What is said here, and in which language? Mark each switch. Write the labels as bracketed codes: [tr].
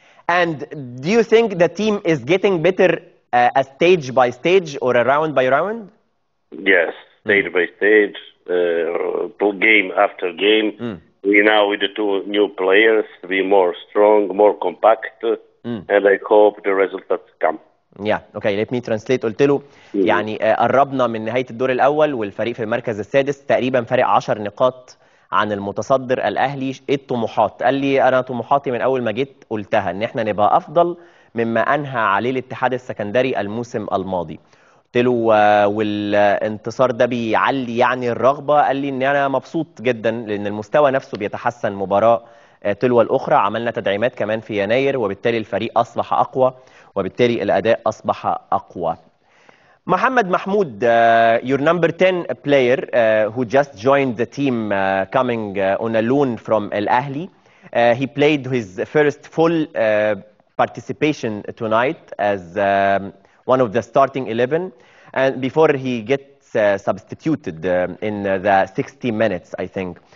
[en] And do you think the team is getting better a stage by stage or a round by round? Yes, stage by stage, game after game. Mm. We now with the two new players be more strong, more compact, and I hope the results come. Yeah, okay, let me translate. [ar] قلت له يعني قربنا من نهاية الدور الأول والفريق في المركز السادس تقريبا فارق 10 نقاط عن المتصدر الأهلي, إيه الطموحات؟ قال لي أنا طموحاتي من أول ما جيت قلتها إن إحنا نبقى أفضل مما أنهى عليه الاتحاد السكندري الموسم الماضي. قلت له والانتصار ده بيعلي يعني الرغبة؟ قال لي إن أنا مبسوط جدا لأن المستوى نفسه بيتحسن مباراة تلو الأخرى, عملنا تدعيمات كمان في يناير وبالتالي الفريق أصبح أقوى وبالتالي الأداء أصبح أقوى. [en] محمد محمود, your number 10 player who just joined the team coming on a loan from الأهلي, he played his first full participation tonight as one of the starting 11 and before he gets substituted in the 60 minutes I think.